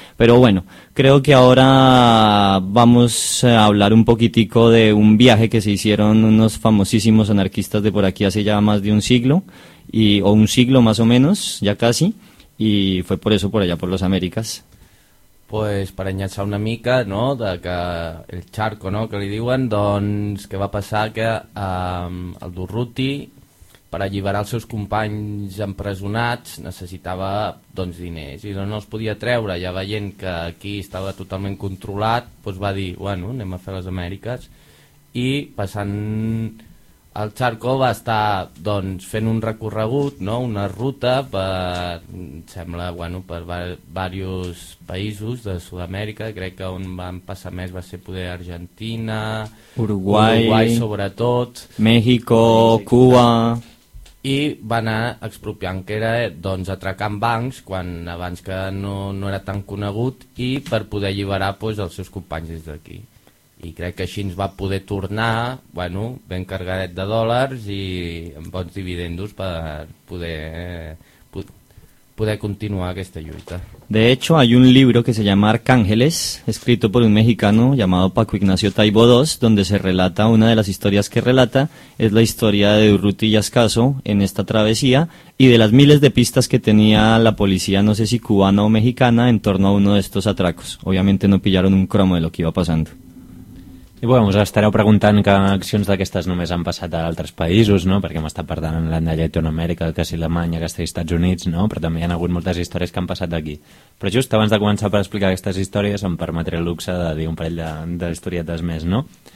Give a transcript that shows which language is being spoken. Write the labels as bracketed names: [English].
[Spanish] Pero bueno, creo que ahora vamos a hablar un poquitico de un viaje que se hicieron unos famosísimos anarquistas de por aquí hace ya más de un siglo, o un siglo más o menos, ya casi, y fue por eso, por allá, por las Américas. [Catalan] Pues para enllaçar una mica, no?, de que el charco, no?, que li diuen, doncs, que va passar que el Durruti, per alliberar els seus companys empresonats, necessitava, doncs, diners, i no els podia treure, ja veient que aquí estava totalment controlat, doncs va dir, bueno, anem a fer les Amèriques, i passant... El Charco va estar doncs, fent un recorregut, no? Una ruta per, sembla, bueno, per varios països de Sud-amèrica. Crec que on van passar més va ser poder Argentina, Uruguai sobretot, México, sí, Cuba. I va anar expropiant, que era doncs, atracant bancs quan abans que no era tan conegut i per poder alliberar doncs, els seus companys des d'aquí. I crec que així ens va poder tornar, bueno, ben cargadet de dòlars i amb bons dividendos per poder continuar aquesta lluita. [Spanish] De hecho, hay un libro que se llama Arcángeles, escrito por un mexicano llamado Paco Ignacio Taibo II, donde se relata una de las historias que relata, es la historia de Durruti y Ascaso en esta travesía y de las miles de pistas que tenía la policía, no sé si cubana o mexicana, en torno a uno de estos atracos. Obviamente no pillaron un cromo de lo que iba pasando. [Catalan] I bueno, us estareu preguntant que accions d'aquestes només han passat a altres països, no? Perquè hem estat parlant en l'any de Llatinoamèrica, el cas Alemanya, que als Estats Units, no? Però també hi ha hagut moltes històries que han passat aquí. Però just abans de començar per explicar aquestes històries em permetré el luxe de dir un parell de historietes més, no?